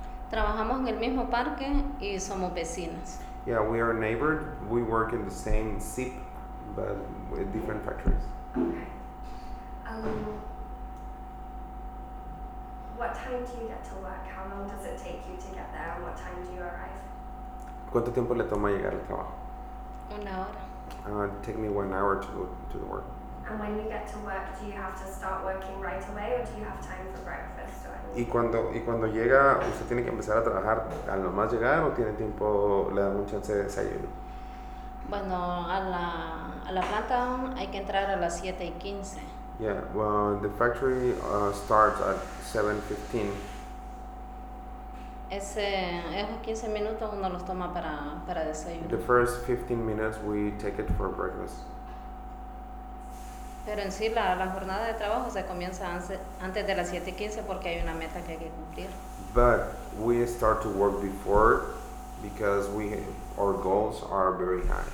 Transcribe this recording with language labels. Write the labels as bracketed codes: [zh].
[es] Trabajamos en el mismo parque y somos vecinas. [en] Yeah, we are neighbors. We work in the same SIP, but with different factories. Okay. What time do you get to work? How long does it take you to get there? And what time do you arrive? [es] ¿Cuánto tiempo le toma llegar al trabajo? Una hora. [en] Take me 1 hour to go to the work. And when you get to work, do you have to start working right away or do you have time for breakfast? [es] Y cuando llega, usted tiene que empezar a trabajar al nomás llegar o tiene tiempo, le da un chance de desayuno? Bueno, a la planta hay que entrar a las 7:15. [en] Yeah, well, the factory starts at 7:15. [es] Esos 15 minutos uno los toma para desayuno. [en] The first 15 minutes we take it for breakfast. [es] Pero en sí la jornada de trabajo se comienza antes de las 7:15 porque hay una meta que hay que cumplir. [en] But we start to work before because our goals are very high.